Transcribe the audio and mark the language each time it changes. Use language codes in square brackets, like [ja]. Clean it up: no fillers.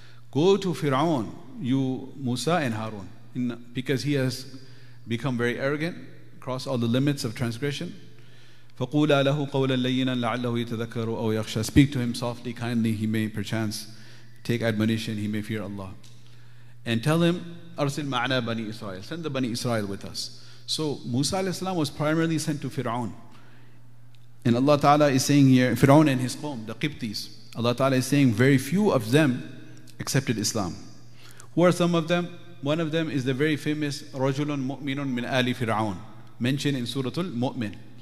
[en] Go to Fir'aun, you Musa and Harun. Because he has become very arrogant, crossed all the limits of transgression. [ar] فَقُولَا لَهُ قَوْلًا لَيِّنًا لَعَلَّهُ يَتَذَكَّرُ أَوْ يَخْشَىٰ. [en] Speak to him softly, kindly, he may perchance take admonition, he may fear Allah. And tell him, [ar] أَرْسِلْ مَعْنَا بَنِي إِسْرَائِيلَ. [en] Send the Bani Israel with us. So Musa alayhi salam was primarily sent to Fir'aun. And Allah Ta'ala is saying here, Fir'aun and his qawm, the Qibtis, Allah Ta'ala is saying very few of them accepted Islam. Who are some of them? One of them is the very famous [ar] رَجُلٌ مُؤْمِنٌ مِنْ آلِ فِرْعَوْنَ, [en] mentioned in Surah Al-Mu'min.